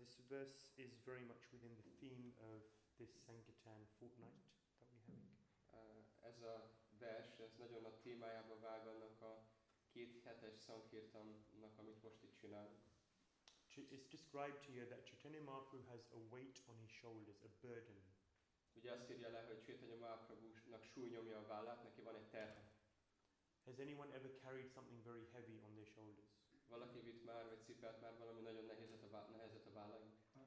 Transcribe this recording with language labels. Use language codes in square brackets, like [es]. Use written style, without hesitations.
[en] verse is very much within the theme of this Sankirtan fortnight that we're having. [hu] Ez a vers, ez nagyon a témájába vág annak a két hetes Sankirtannak, amit most itt csinálunk. [en] It's described here that Chaitanya Mahaprabhu has a weight on his shoulders, a burden. [hu] Ugye azt írja le, hogy Chaitanya Mahaprabhu-nak súly nyomja a vállát, neki van egy terhe. [en] Has anyone ever carried something very heavy on their shoulders? [hu] Valaki vitt már, vagy cipelt már valami nagyon nehezet a vállaink?